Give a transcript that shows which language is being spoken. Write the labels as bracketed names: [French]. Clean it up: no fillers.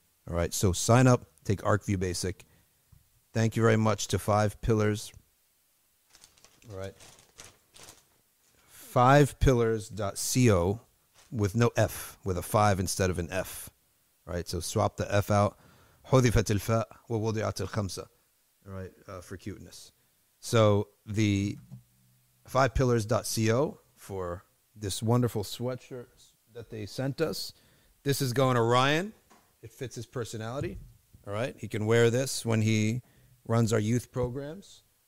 [English] All right, so sign up, take ArcView Basic. Thank you very much to Five Pillars. All right. Fivepillars.co with no F, with a five instead of an F. All right, so swap the F out. [Arabic] حذفت الفاء ووضعت الخمسة. [English] All right, for cuteness. So the fivepillars.co for this wonderful sweatshirt that they sent us. This is going to Ryan. It fits his personality. All right, he can wear this when he runs our youth programs.